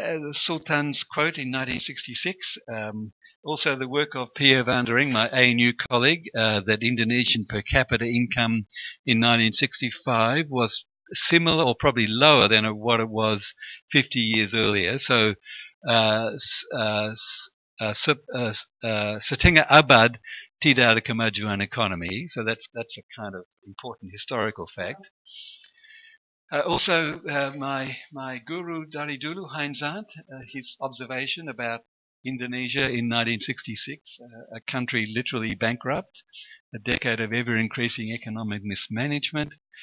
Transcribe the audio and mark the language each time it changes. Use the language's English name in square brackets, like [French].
[English] Sultan's quote in 1966. Also the work of Pierre Vandering, my ANU colleague, that Indonesian per capita income in 1965 was similar or probably lower than what it was 50 years earlier. [Indonesian] So Setengah abad tidak ada kemajuan ekonomi. [English] So that's a kind of important historical fact. Also, my guru [Indonesian] Dari Dulu, [English] Heinz Arndt, his observation about Indonesia in 1966, a country literally bankrupt, a decade of ever-increasing economic mismanagement.